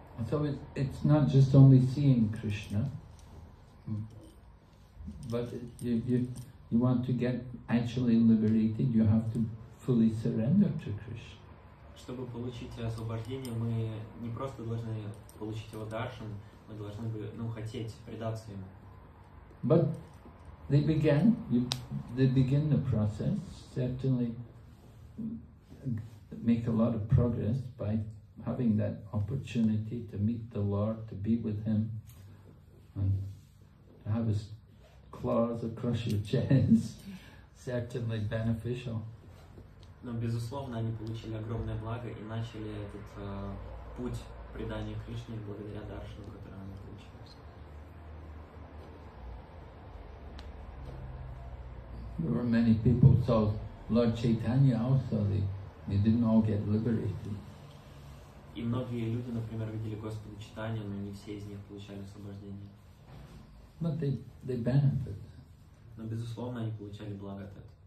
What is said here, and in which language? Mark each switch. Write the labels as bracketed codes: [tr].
[en] So it's not just only seeing Krishna, but you want to get actually liberated, you have to fully surrender to Krishna. [ru] Чтобы получить освобождение, мы не просто должны получить его даршан, мы должны бы, ну, хотеть предаться ему. [en] But they begin the process, certainly make a lot of progress by having that opportunity to meet the Lord, to be with Him, and to have His claws across your chest, certainly beneficial. [ru] Но безусловно, они получили огромное благо и начали этот путь предания Кришне благодаря даршану, который они получили. [en] There were many people, so Lord Chaitanya also, they didn't all get liberated. [ru] И многие люди, например, видели Господа Читания, но не все из них получали освобождение. [en] But they benefit. [ru] Но безусловно, они получали благо от этого.